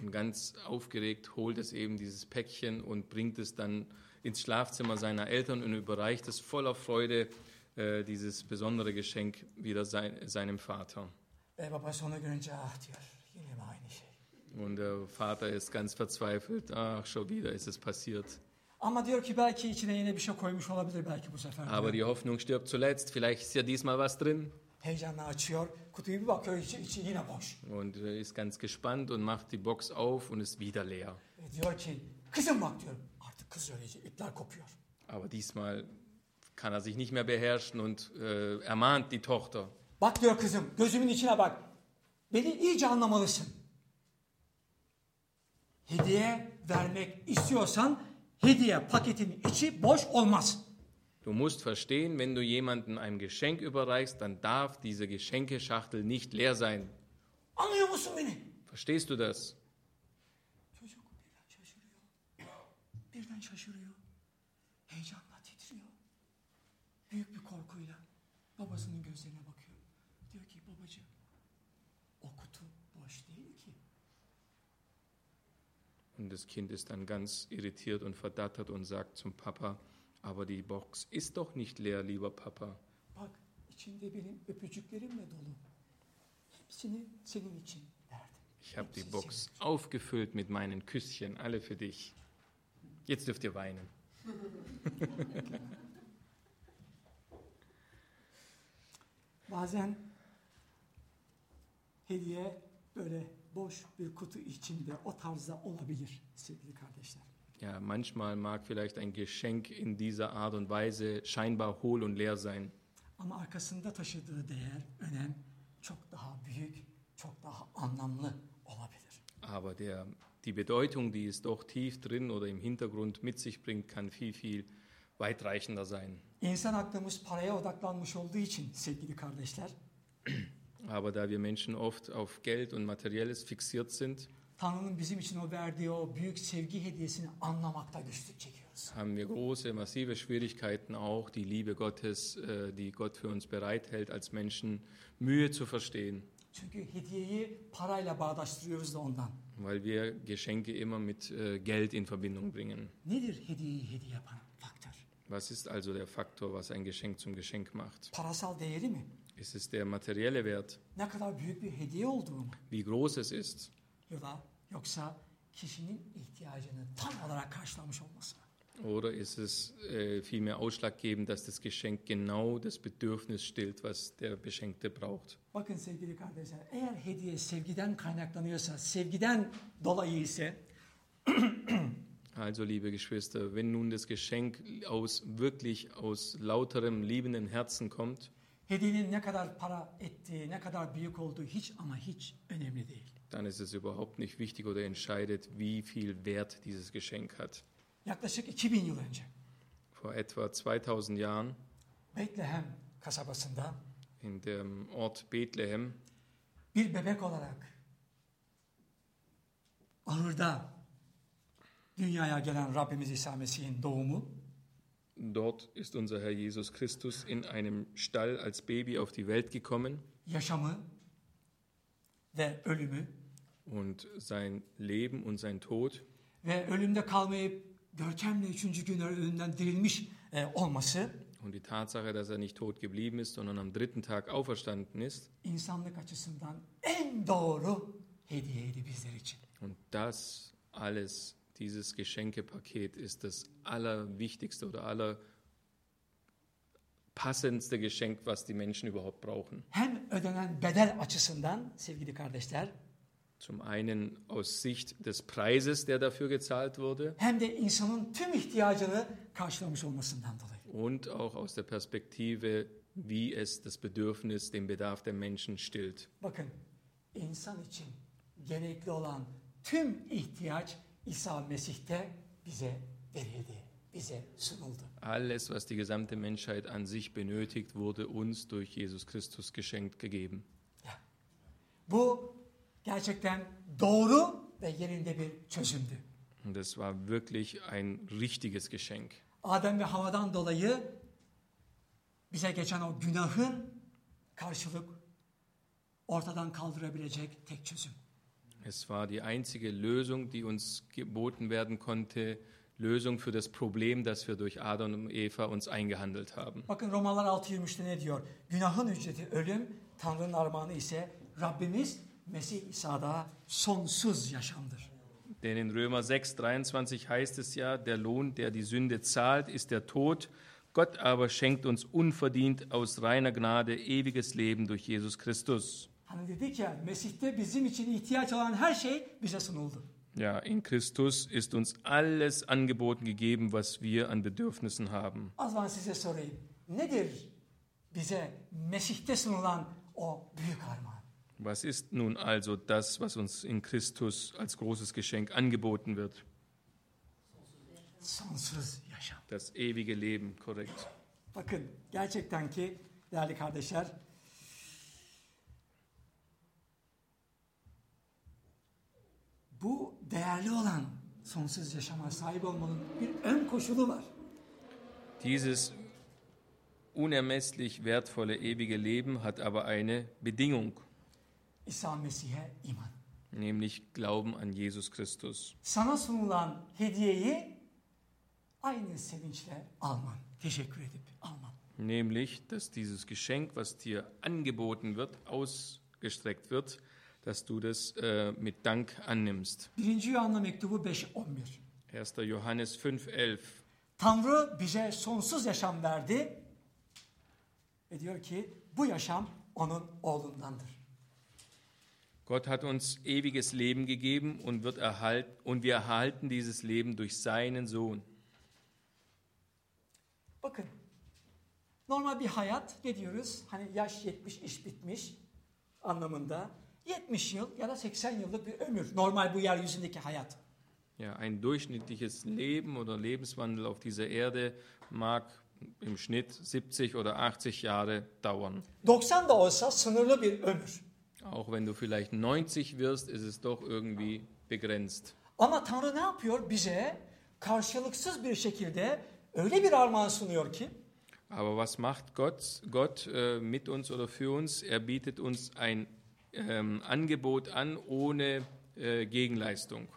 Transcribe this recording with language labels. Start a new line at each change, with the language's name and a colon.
German: Und ganz aufgeregt holt es eben dieses Päckchen und bringt es dann ins Schlafzimmer seiner Eltern und überreicht es voller Freude, dieses besondere Geschenk wieder seinem Vater.
Turkish: Baba sonra görünce ah diyor, yine mi aynı şey?
German: Und der Vater ist ganz verzweifelt. Ach, schon wieder ist es passiert.
Turkish: Ama diyor ki belki içine yine bir şey koymuş olabilir belki bu sefer.
German: Aber die Hoffnung stirbt zuletzt. Vielleicht ist ja diesmal was drin.
Turkish: Heyecanla açıyor. Kutuyu bir bakıyor içi yine boş.
German: Und ist ganz gespannt und macht die Box auf und ist wieder leer.
Turkish: Diyor ki kızım bak diyor. Artık kız öylece ipler kopuyor.
German: Aber diesmal kann er sich nicht mehr beherrschen und ermahnt die Tochter.
Turkish: Bak diyor kızım gözümün içine bak. Beni iyice anlamalısın. Hediye vermek istiyorsan hediye paketinin içi boş olmaz.
German: Du musst verstehen, wenn du jemanden ein Geschenk überreichst, dann darf diese Geschenkeschachtel nicht leer sein.
Turkish: Anlıyor musun beni?
German: Verstehst du das?
Turkish: Çocuk birden şaşırıyor. Birden şaşırıyor. Heyecanla titriyor. Büyük bir korkuyla babasının gözlerine bakıyor. Diyor ki babacığım, o kutu boş değil ki.
German: Und das Kind ist dann ganz irritiert und verdattert und sagt zum Papa, aber die Box ist doch nicht leer, lieber Papa.
Turkish: Bak, içinde benim öpücüklerimle dolu. Hepsini senin için verdim.
German: Ich habe die Box aufgefüllt mit meinen Küsschen, alle für dich. Jetzt dürft ihr weinen.
Turkish: Bazen hediye böyle boş bir kutu içinde o tarzda olabilir sevgili kardeşler.
German: Ja, manchmal mag vielleicht ein Geschenk in dieser Art und Weise scheinbar hohl und leer sein.
Turkish: Ama arkasında taşıdığı değer, önem çok daha büyük, çok daha anlamlı olabilir.
German: Aber die Bedeutung, die es doch tief drin oder im Hintergrund mit sich bringt, kann viel, viel weitreichender sein.
Turkish: İnsan aklımız paraya odaklanmış olduğu için, sevgili kardeşler.
German: Aber da wir Menschen oft auf Geld und Materielles fixiert sind,
Turkish: Tanrı'nın bizim için o verdiği o büyük sevgi hediyesini anlamakta güçlük çekiyoruz.
German: Haben wir große, massive Schwierigkeiten auch, die Liebe Gottes, die Gott für uns bereithält als Menschen, Mühe zu verstehen.
Turkish: Çünkü hediyeyi parayla bağdaştırıyoruz da ondan.
German: Weil wir Geschenke immer mit Geld in Verbindung bringen.
Turkish: Nedir hediyeyi hediye yapan faktör?
German: Was ist also der Faktor, was ein Geschenk zum Geschenk macht?
Turkish: Parasal değeri mi?
German: Ist es der materielle Wert?
Turkish: Ne kadar büyük bir hediye olduğu mu?
German: Wie groß es ist?
Turkish: Yoksa kişinin ihtiyacını tam olarak karşılamış olması mı?
German: Oder ist es vielmehr ausschlaggebend, dass das Geschenk genau das Bedürfnis stillt, was der Beschenkte braucht?
Turkish: Bakın sevgili kardeşler, eğer hediye sevgiden kaynaklanıyorsa, sevgiden dolayı ise...
German: Also liebe Geschwister, wenn nun das Geschenk aus wirklich aus lauterem liebenden Herzen kommt,
Turkish: hediyenin ne kadar para ettiği, ne kadar büyük olduğu hiç ama hiç önemli değil.
German: Dann ist es überhaupt nicht wichtig oder entscheidet, wie viel Wert dieses Geschenk hat.
Turkish: Yaklaşık 2000 yıl önce.
German: Vor etwa 2000 Jahren.
Turkish: Bethlehem kasabasında.
German: In dem Ort Bethlehem.
Turkish: Bir bebek olarak ahırda dünyaya gelen Rabbimiz İsa Mesih'in doğumu.
German: Dort ist unser Herr Jesus Christus in einem Stall als Baby auf die Welt gekommen.
Turkish: Yaşamı ve ölümü.
German: Und sein Leben und sein Tod.
Turkish: Ve ölümde kalmayıp görkemle üçüncü gün ölümden dirilmiş olması.
German: Und die Tatsache, dass er nicht tot geblieben ist, sondern am dritten Tag auferstanden ist.
Turkish: İnsanlık açısından en doğru hediyeydi bizler için.
German: Und das alles, dieses Geschenkepaket ist das allerwichtigste oder allerpassendste Geschenk, was die Menschen überhaupt brauchen.
Turkish: Hem ödenen bedel açısından, sevgili kardeşler,
German: zum einen aus Sicht des Preises, der dafür gezahlt wurde,
Turkish: hem de insanın tüm ihtiyacını karşılamış olmasından dolayı.
German: Und auch aus der Perspektive, wie es das Bedürfnis, den Bedarf der Menschen stillt.
Turkish: Bakın, insan için gerekli olan tüm ihtiyaç İsa Mesih'te bize verildi, bize sunuldu.
German: Alles, was die gesamte Menschheit an sich benötigt, wurde uns durch Jesus Christus geschenkt gegeben. Ja.
Turkish: Bu gerçekten doğru ve yerinde bir çözümdü.
German: Das war wirklich ein richtiges Geschenk.
Turkish: Adem ve Havadan dolayı bize geçen o günahın karşılık ortadan kaldırabilecek tek çözüm.
German: Es war die einzige Lösung, die uns geboten werden konnte, Lösung für das Problem, das wir durch Adam und Eva uns eingehandelt haben.
Turkish: Bakın Romalılar 6:23'te ne diyor? Günahın ücreti ölüm, Tanrı'nın armağanı ise Rabbimiz Mesih İsa'da sonsuz yaşamdır.
German: Denn in Römer 6:23 heißt es ja, der Lohn, der die Sünde zahlt, ist der Tod. Gott aber schenkt uns unverdient aus reiner Gnade ewiges Leben durch Jesus Christus.
Turkish: Hani dedik ya, Mesih'te bizim için ihtiyaç olan her şey bize sunuldu.
German: Ja, in Christus ist uns alles angeboten gegeben, was wir an Bedürfnissen haben.
Turkish: Az ben size sorayım. Nedir bize Mesih'te sunulan o büyük armağan?
German: Was ist nun also das, was uns in Christus als großes Geschenk angeboten wird?
Turkish: Sonsuz yaşam.
German: Das ewige Leben, korrekt.
Turkish: Bakın, gerçekten ki, değerli kardeşler, bu değerli olan sonsuz yaşama sahip olmanın bir ön koşulu var.
German: Dieses unermesslich wertvolle ewige Leben hat aber eine Bedingung.
Turkish: İsa Mesih'e iman.
German: Nämlich Glauben an Jesus Christus.
Turkish: Sana sunulan hediyeyi aynı sevinçle alman, teşekkür edip alman.
German: Nämlich, dass dieses Geschenk, was dir angeboten wird, ausgestreckt wird, dass du das mit Dank annimmst.
Turkish: 1. Johanna Mektubu 5:11.
German: 1. Johannes 5:11.
Turkish: Tanrı bize sonsuz yaşam verdi. Ve diyor ki bu yaşam onun oğlundandır.
German: Gott hat uns ewiges Leben gegeben und wird erhalten, und wir erhalten dieses Leben durch seinen Sohn.
Turkish: Bakın, normal bir hayat, ne diyoruz? Hani yaş 70, iş bitmiş anlamında. 70 yıl ya da 80 yıllık bir ömür, normal bu yeryüzündeki hayat.
German: Ja, ein durchschnittliches Leben oder Lebenswandel auf dieser Erde mag im Schnitt 70 oder 80 Jahre dauern.
Turkish: 90 da olsa sınırlı bir ömür.
German: Auch wenn du vielleicht 90 wirst, ist es doch irgendwie begrenzt.
Turkish: Ama Tanrı ne yapıyor bize? Karşılıksız bir şekilde öyle bir armağan sunuyor ki.
German: Aber was macht Gott, mit uns oder für uns? Er bietet uns ein Angebot an ohne Gegenleistung.